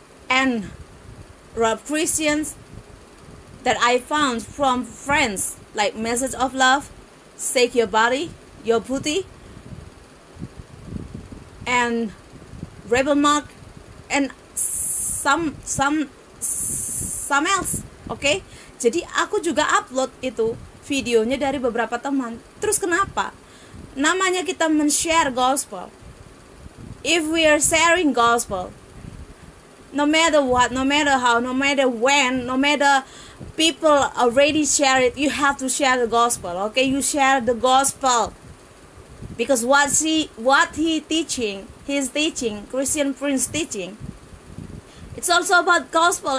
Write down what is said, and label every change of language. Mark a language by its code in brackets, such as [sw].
[en] and Rob Christians that I found from friends, like Message of Love, Shake Your Body, Your Booty, and Rebel Mark, and some else, okay? [id] Jadi aku juga upload itu videonya dari beberapa teman. Terus kenapa? Namanya kita men-share gospel. [en] If we are sharing gospel, no matter what, no matter how, no matter when, no matter people already share it, you have to share the gospel, okay? You share the gospel. Because what he's teaching, Christian Prince teaching, it's also about gospel.